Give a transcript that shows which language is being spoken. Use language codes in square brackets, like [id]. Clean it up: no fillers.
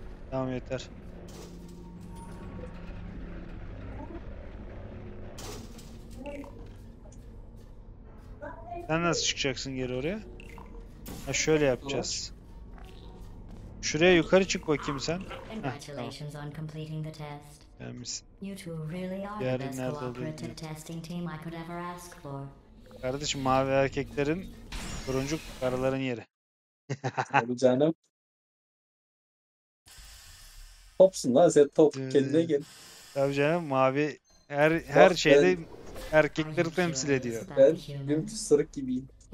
[tr] Tamam yeter. Sen nasıl çıkacaksın geri oraya? Ha şöyle yapacağız. Şuraya yukarı çık bakayım sen. [en] Congratulations on completing the test. [tr] Gelmişsin. [en] You two really are the best cooperative testing team I could ever ask for. [tr] Kardeşim mavi erkeklerin turuncu karıların yeri. Tabii canım. Topsun lan sen top kendine gel. Tabii canım mavi her şeyde erkekleri temsil ediyor. Ben dümdüz sarık gibiyim.